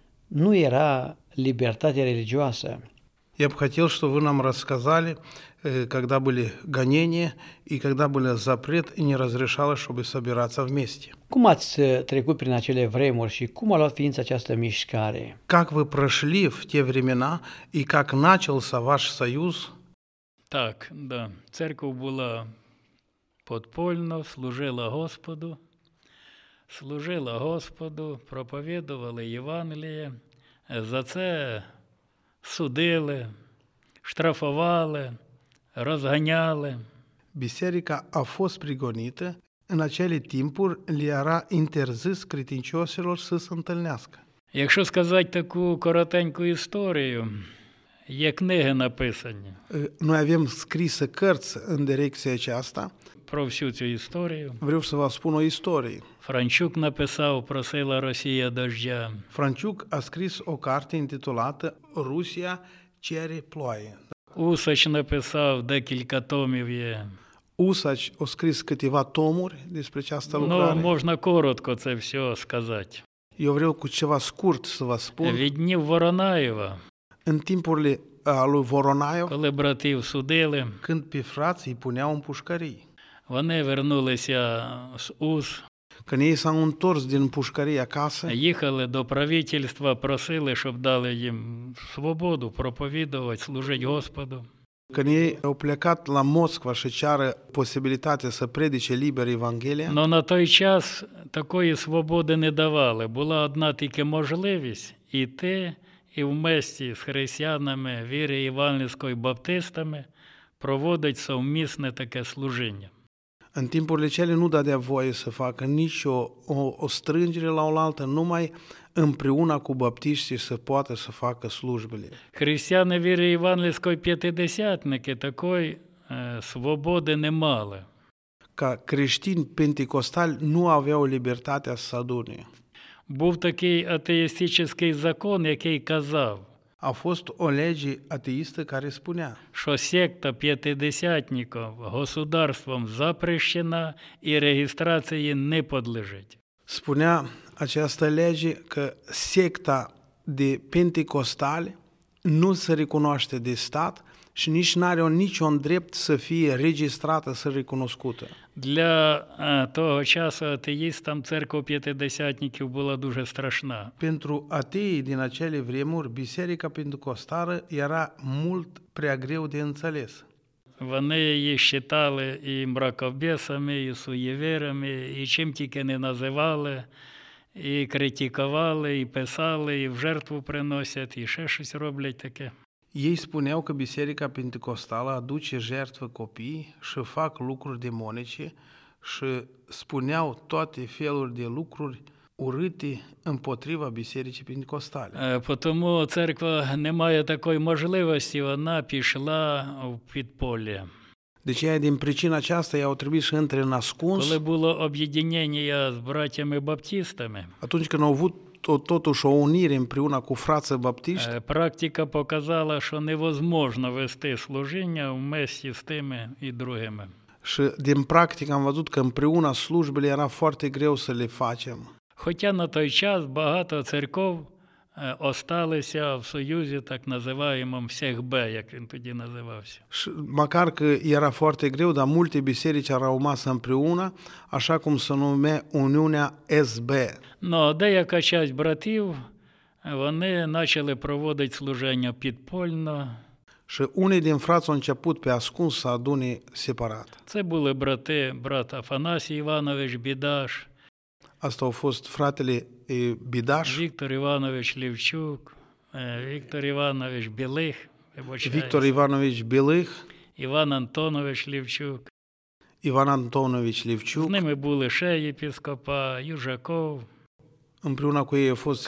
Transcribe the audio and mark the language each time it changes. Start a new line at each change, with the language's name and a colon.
Romanian: Ну ера либертатя религиоса.
Russian: Я б хотел, чтобы вы нам рассказали, когда были гонения и когда был запрет и не разрешалось, чтобы собираться вместе.
Romanian: Cum ați trecut prin acele vremuri și cum a luat ființă această mișcare?
Russian: Как вы прошли в те времена и как начался ваш союз? Так, да. Церковь была подпольно, служила Господу. Служила Господу, проповедовала Евангелие.
Ukrainian: За це судили, штрафували, розганяли.
Romanian: Бісерика a fost prigonită, în acele timpuri li era interzis credincioșilor să se întâlnească.
Ukrainian: Якщо сказати таку коротеньку історію, є книги написані.
Romanian: Noi avem scrise cărți în direcția aceasta.
Ukrainian: Про всю цю історію.
Romanian: Vreau să vă spun o istorie.
Ukrainian: Франчук написав «Просила Росія дождя».
Romanian: Франчук a scris o carte intitulată «Русія чере ploaie».
Ukrainian: Усач написав декілька томів є.
Romanian: Усач a scris câteva tomuri despre această lucrare.
Ukrainian: Ну, можна коротко це все сказати.
Romanian: Eu vreau cu ceva scurt să vă spun.
Ukrainian: Від днів Воронаєва.
Romanian: În timpurile lui Воронаєв.
Ukrainian: Коли братів судили.
Romanian: Când pe frații îi puneau în pușcării.
Ukrainian: Вони вернулися з Ус.
Romanian: Când ei s-au întors din pușcărie acasă,
Ukrainian: їхали до правительства, просили, щоб дали їм свободу проповідувати, служити Господу.
Romanian: Când ei au plecat la Moscova și ceară posibilitatea să predice liber Evanghelia.
Ukrainian: Но на той час такої свободи не давали. Була одна тільки можливість іти і в місті з християнами, віри євангельської, баптистами проводить совмісне таке служення.
Romanian: În timpurile cele nu dădea voie să facă nici o strângere la oaltă, numai împreună cu baptiștii să poată să facă slujbele.
Ukrainian: Христиани віри євангельської п'ятидесятники такої свободи не мали.
Romanian: Ca creștini pentecostali nu aveau libertatea să adune.
Ukrainian: Був такий атеїстичний закон, який казав.
Romanian: A fost o lege ateistă care spunea:
Ukrainian: що секта п'ятидесятників
Russian: государством запрещена
Ukrainian: і реєстрації не подлежить.
Romanian: Spunea această lege că secta de pentecostali nu se recunoaște de stat și nici n-are niciun drept să fie registrată, să recunoscută.
Ukrainian: Для того часу атеїстам церква п'ятидесятників була дуже страшна.
Romanian: Pentru atei din acele vremuri, biserica pentecostală era mult prea greu de înțeles.
Ukrainian: Вони її считали і мракобесами, і суєверами, і чим тільки не називали, і критикували, і писали, і в жертву приносять, і ще щось роблять таке.
Romanian: Ei spuneau că biserica pentecostală aduce jertfă copii și fac lucruri demonice și spuneau toate feluri de lucruri urâte împotriva bisericii pentecostale.
Ukrainian: Потому церква не має такої можливості, вона пішла в підполье.
Romanian: Deci din причина aceasta i-au trebuit să intre în ascuns.
Ukrainian: Коли було об'єднання з братями баптистами.
Romanian: Atunci când au avut totuși o unire împreună cu frații baptiști.
Ukrainian: Практика показала, що невозможно вести служіння в місті з тими і другими.
Romanian: Și din practică am văzut că împreună slujbele era foarte greu să le facem.
Ukrainian: Хоча на той час багато церков осталися в союзі так називаємому Всехбе, як він тоді називався.
Romanian: Și măcar că era foarte greu, dar multe biserici au rămas împreună, așa cum se nume Uniunea SB.
Ukrainian: Но деяка часть братів, вони почали проводити служення підпольно.
Romanian: Și unii din frați au început pe ascuns să adune separat.
Ukrainian: Це були брати, брат Афанасій Іванович Бідаш.
Romanian: Asta au fost fratele Бідаш.
Ukrainian: Віктор Іванович Лівчук, Віктор Іванович Білих. Віктор Іванович Білих. Іван Антонович Лівчук. Іван Антонович Лівчук. З ними були ще єпископа Южаков.
Romanian: Împreună cu ei a fost